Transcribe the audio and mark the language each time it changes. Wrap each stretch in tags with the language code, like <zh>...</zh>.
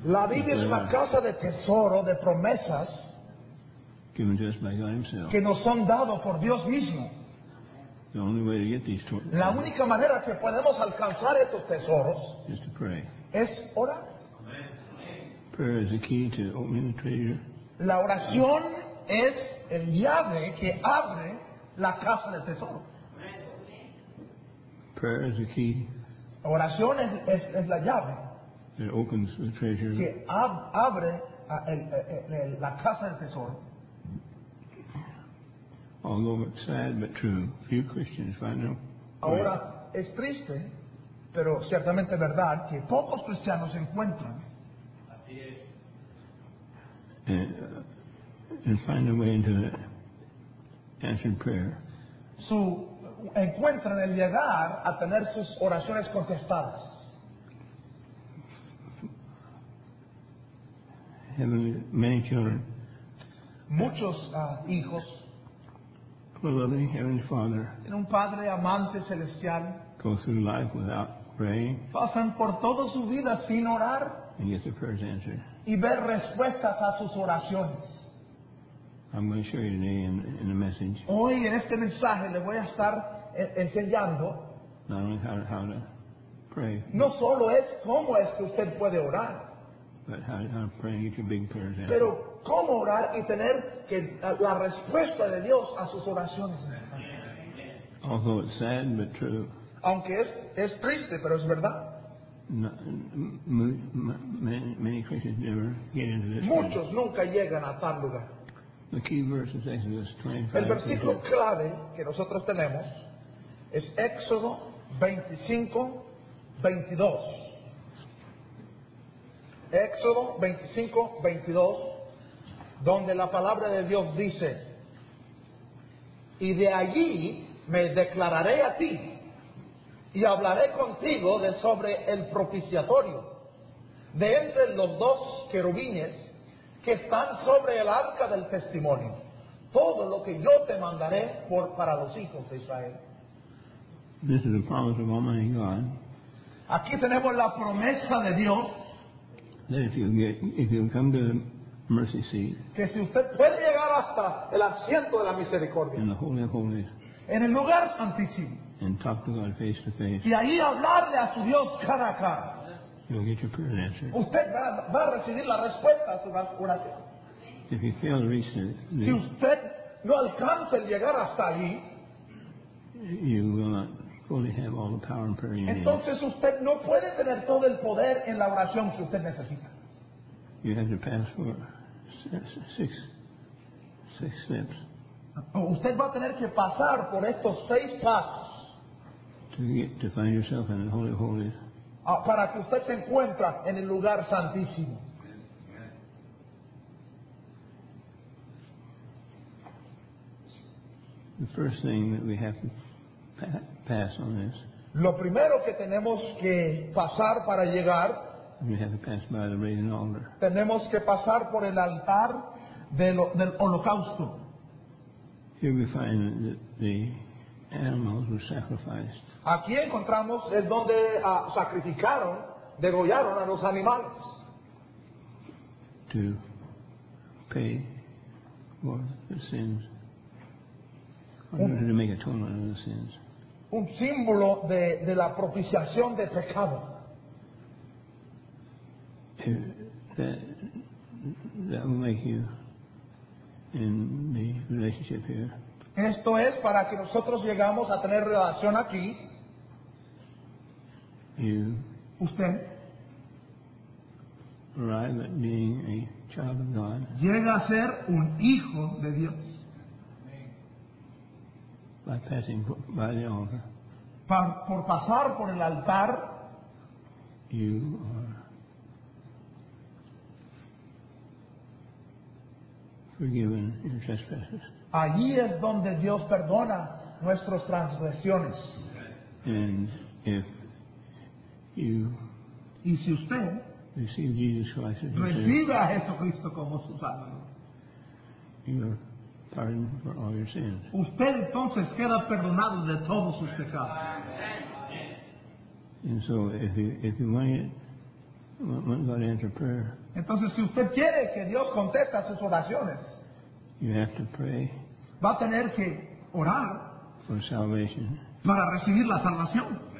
<es>La Biblia es la casa de tesoro de promesas.</es> <en>given to us by God himself.</en> <es>Que nos son dados por Dios mismo.</es> <en>The only way to get these</en> <es>La única manera que podemos alcanzar estos tesoros</es> <en>is to pray.</en> <es>Es orar.</es> <en>Prayer is the key to opening the treasure.</en> <es>La oración es el llave que abre la casa del tesoro.</es> <en>Prayer is the key.</en> <es>Oración es la llave.</es> <en>It opens the treasure.</en> <es>Que abre la casa del tesoro.</es> <en>Although it's sad but true, few Christians find out.</en> <es>Ahora es triste, pero ciertamente verdad que pocos cristianos encuentran.</es> <en>And find a way into the answered prayer.</en> <es>So, encuentran el llegar a tener sus oraciones contestadas.</es> <en>Heavenly, many children.</en> <es>Muchos hijos.</es> <en>Beloved Heavenly Father.</en> <es>En un padre amante celestial.</es> <en>Go through life without praying.</en> <es>Pasan por toda su vida sin orar.</es> <en>And get their prayers answered.</en> <es>Y ver respuestas a sus oraciones.</es> <en>I'm going to show you today in the message.</en> <es>Hoy en este mensaje le voy a estar enseñando.</es> <en>Not only how to pray.</en> <es>No solo es cómo es que usted puede orar.</es> <en>But how to pray and get your big prayers answered.</en> <es>Pero cómo orar y tener que la respuesta de Dios a sus oraciones.</es> <en>Although it's sad but true.</en> <es>Aunque es triste pero es verdad.</es> <en>No, many Christians never get into this.</en> <es>Muchos nunca llegan a tal lugar.</es> <en>The key verse is Exodus 25.</en> <es>El versículo clave que nosotros tenemos es Éxodo 25:22. Éxodo 25:22, donde la palabra de Dios dice: Y de allí me declararé a ti. Y hablaré contigo de sobre el propiciatorio, de entre los dos querubines que están sobre el arca del testimonio, todo lo que yo te mandaré para los hijos de Israel.</es> <en>This is the promise of Almighty God.</en> <es>Aquí tenemos la promesa de Dios.</es> <en>That if you come to the mercy seat,</en> <es>que si usted puede llegar hasta el asiento de la misericordia,</es> <en>in the Holy of Holies,</en> <es>en el lugar santísimo,</es> <en>and talk to God face to face.</en> <es>Y ahí hablarle a su Dios cara a cara.</es> <en>You'll get your prayer answered.</en> <es>Usted va a recibir la respuesta a su oración.</es> <en>If you fail to reach it,</en> <es>si usted no alcanza el llegar hasta allí,</es> <en>you will not fully have all the power and prayer you</en> <es>entonces</es> <en>need.</en> <es>Entonces usted no puede tener todo el poder en la oración que usted necesita.</es> <en>You have to pass for six steps.</en> <es>Usted va a tener que pasar por estos seis pasos.</es> <en>To find yourself in the Holy of Holies.</en> <es>Para que usted se encuentre en el lugar santísimo.</es> <en>The first thing that we have to pass on this.</en> <es>Lo primero que tenemos que pasar para llegar.</es> <en>We have to pass by the raising altar.</en> <es>Tenemos que pasar por el altar del holocausto.</es> <en>Here we find that the animals were sacrificed.</en> <es>Aquí encontramos es donde sacrificaron, degollaron a los animales.</es> <en>To pay for the sins. To make atonement for the sins.</en> <es>Un símbolo de la propiciación de pecado.</es> <en>That will make you in the relationship here.</en> <es>Esto es para que nosotros llegamos a tener relación aquí.</es> <en>You</en> <es>usted</es> <en>arrive at being a child of God.</en> <es>Llega a ser un hijo de Dios.</es> <en>By passing by the altar.</en> <es>Por pasar por el altar.</es> <en>You are forgiven your trespasses.</en> <es>Allí es donde Dios perdona nuestras transgresiones.</es> <en>And if you</en> <es>y si usted</es> <en>receive Jesus Christ as</en> <es>recibe a Jesucristo como su Salvador,</es> <en>you are pardoned for all your sins.</en> <es>Usted entonces queda perdonado de todos sus pecados.</es> <en>And so if you want God to answer prayer,</en> <es>entonces si usted quiere que Dios conteste sus oraciones,</es> <en>You have to pray.</en> <es>Va a tener que orar</es> <en>for salvation.</en> <es>Para recibir la salvación.</es>